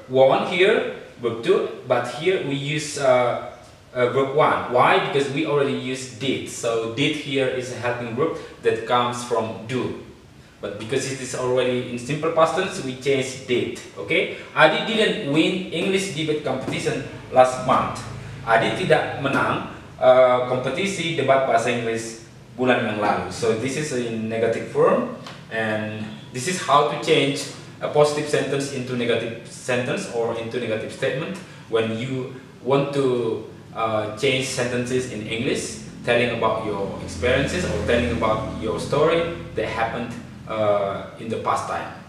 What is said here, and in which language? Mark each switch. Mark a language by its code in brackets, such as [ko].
[en] Won here, verb 2, but here we use verb 1. Why? Because we already used did. So did here is a helping verb that comes from do. But because it is already in simple past tense, we change did. Okay? Adi didn't win English debate competition last month. [id] Adi tidak menang kompetisi debat bahasa Inggris bulan yang lalu. [en] So this is in negative form, and this is how to change a positive sentence into negative sentence or into negative statement when you want to change sentences in English, telling about your experiences or telling about your story that happened in the past time.